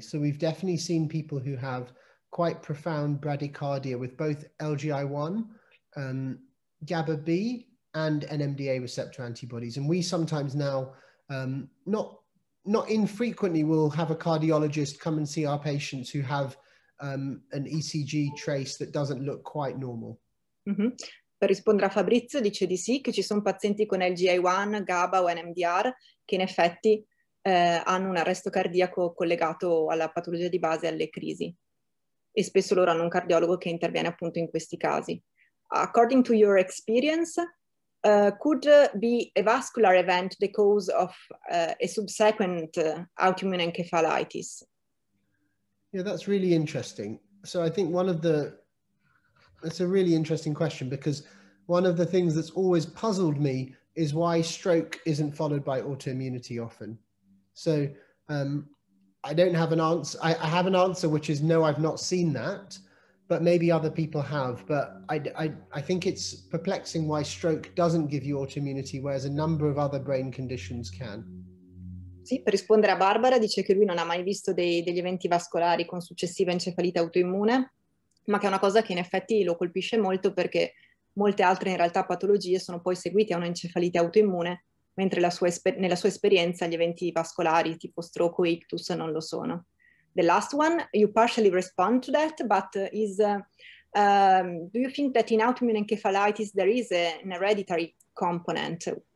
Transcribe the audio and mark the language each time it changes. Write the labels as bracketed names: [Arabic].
[English] So we've definitely seen people who have quite profound bradycardia with both LGI1, GABA-B, and NMDA receptor antibodies. And we sometimes now, not infrequently, will have a cardiologist come and see our patients who have an ECG trace that doesn't look quite normal. Mm-hmm. [Italian] Per rispondere a Fabrizio, dice di sì, che ci sono pazienti con LGI1, GABA o NMDR che in effetti hanno un arresto cardiaco collegato alla patologia di base alle crisi. E spesso loro hanno un cardiologo che interviene appunto in questi casi. [English] According to your experience, could be a vascular event the cause of a subsequent autoimmune encephalitis? Yeah, that's really interesting. So I think that's a really interesting question, because one of the things that's always puzzled me is why stroke isn't followed by autoimmunity often. So I don't have an answer. I have an answer, which is no, I've not seen that, but maybe other people have. But I think it's perplexing why stroke doesn't give you autoimmunity, whereas a number of other brain conditions can. [Italian] Sì, per rispondere a Barbara, dice che lui non ha mai visto degli eventi vascolari con successiva encefalite autoimmune, ma che è una cosa che in effetti lo colpisce molto, perché molte altre in realtà patologie sono poi seguite a un'encefalite autoimmune, mentre nella sua esperienza gli eventi vascolari tipo stroke o ictus non lo sono. [English] The last one, you partially respond to that, but do you think that in autoimmune encephalitis there is an hereditary component?